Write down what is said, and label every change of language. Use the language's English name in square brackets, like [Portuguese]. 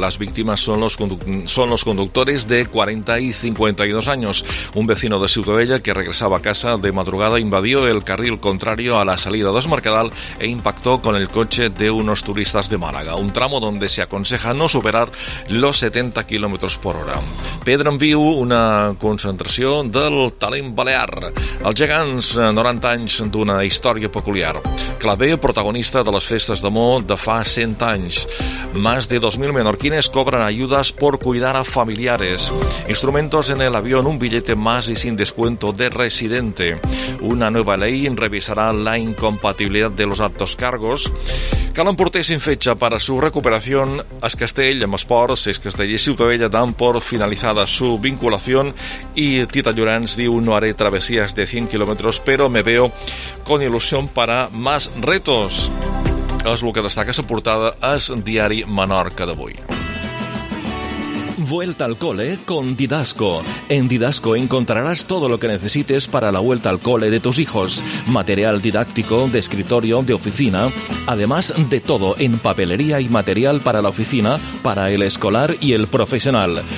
[Spanish] Las víctimas son los conductores de 40 y 52 años. Un vecino de Ciutadella que regresaba a casa de madrugada invadió el carril contrario a la salida de Mercadal e impactó con el coche de unos turistas de Málaga. Un tramo donde se aconseja no superar los 70 kilómetros por hora. [Catalan] Pedra en viu, una concentració del talent balear. Els gegants, 90 anys d'una història peculiar. Clavé, protagonista de les festes d'amor de fa 100 anys. [Spanish] Más de 2.000 menorquines cobran ayudas por cuidar a familiares. Instrumentos en el avión, un billete más y sin descuento de residente. Una nueva ley revisará la incompatibilidad de los altos cargos. [Catalan] Cal emportar [Spanish] sin fecha para su recuperación. Es Castell, [Catalan] amb esports, [Spanish] Es Castell i Ciutadella dan por finalizada su vinculación. Y Tita Llorenç diu, no haré travesías de 100 kilómetros, pero me veo con ilusión para más retos. [Catalan] És el que destaca la portada al diari Menorca d'avui. [Spanish] Vuelta al cole con Didasco. En Didasco encontrarás todo lo que necesites para la vuelta al cole de tus hijos. Material didáctico, de escritorio, de oficina. Además de todo en papelería y material para la oficina, para el escolar y el profesional.